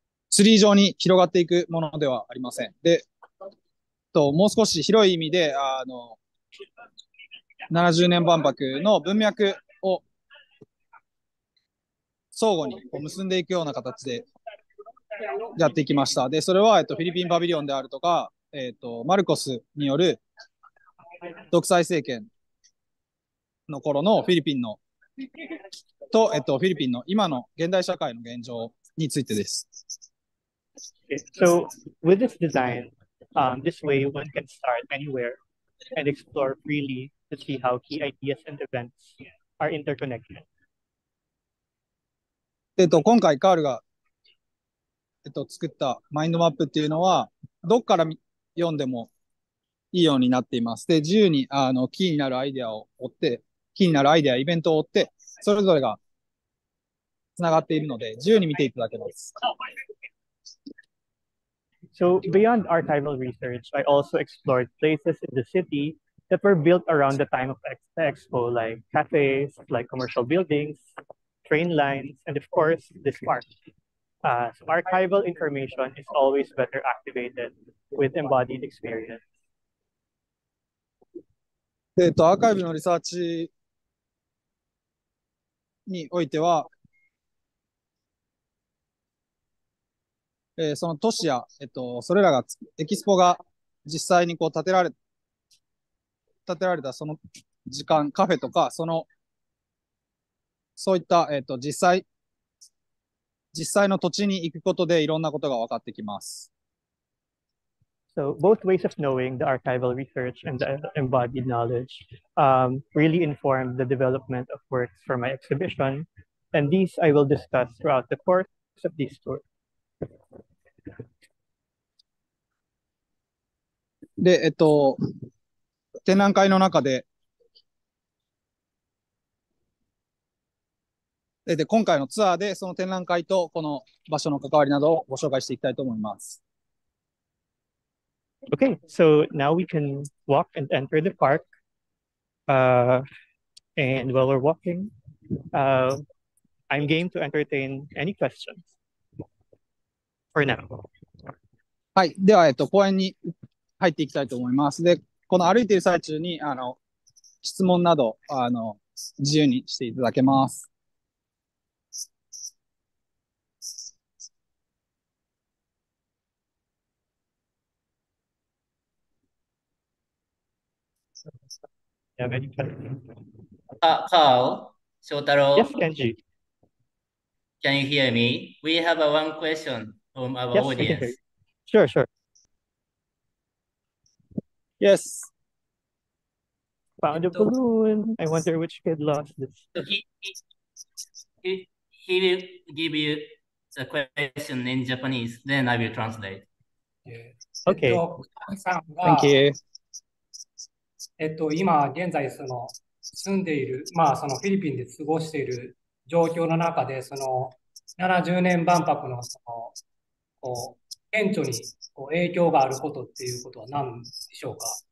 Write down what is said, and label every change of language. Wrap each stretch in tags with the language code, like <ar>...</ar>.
<ja>ツリー状に広がっていくものではありません。で、もう少し広い意味で、70年万博の文脈を相互に結んでいくような形でやっていきました。で、それは、フィリピンパビリオンであるとか、マルコスによる独裁政権の頃のフィリピンのと、フィリピンの今の現代社会の現状についてです。</ja> <en>So with this design, this way one can start anywhere and explore freely to see how key ideas and events are interconnected.</en> <ja>今回カールが、作ったマインドマップっていうのはどこから読んでもいいようになっています。で、自由にキーになるアイデアを追って、キーになるアイデア、イベントを追って、それぞれがつながっているので自由に見ていただけます。</ja> <en>So beyond archival research, I also explored places in the city that were built around the time of the expo, like cafes, like commercial buildings, train lines, and of course, this park. So archival information is always better activated with embodied experience.</en> <ja>アーカイブのリサーチにおいては、その都市や、それらが、エキスポが実際にこう建てられたその時間、カフェとか、そういった、実際の土地に行くことでいろんなことが分かってきます。</ja> <en>So, both ways of knowing the archival research and the embodied knowledge, really informed the development of works for my exhibition, and these I will discuss throughout the course of this tour.</en> <ja>で、展覧会の中で、で、今回のツアーでその展覧会とこの場所の関わりなどをご紹介していきたいと思います。</ja> <en>Okay, so now we can walk and enter the park. And while we're walking, I'm game to entertain any questions. For now.</en> <ja>はい、では、公園に入っていきたいと思います。で、この歩いている最中に、質問など、自由にしていただけます。</ja> <en>Carl, Shotaro. Yes, Kenji. Can you hear me? We have a one question from our yes, audience. Sure, sure. Yes. Found a balloon. I wonder which kid lost this. So he will give you the question in Japanese, then I will translate. Okay. Thank you.</en> <ja>今現在その住んでいる、まあ、そのフィリピンで過ごしている状況の中でその70年万博 の, そのこう顕著にこう影響があることっていうことは何でしょうか。</ja>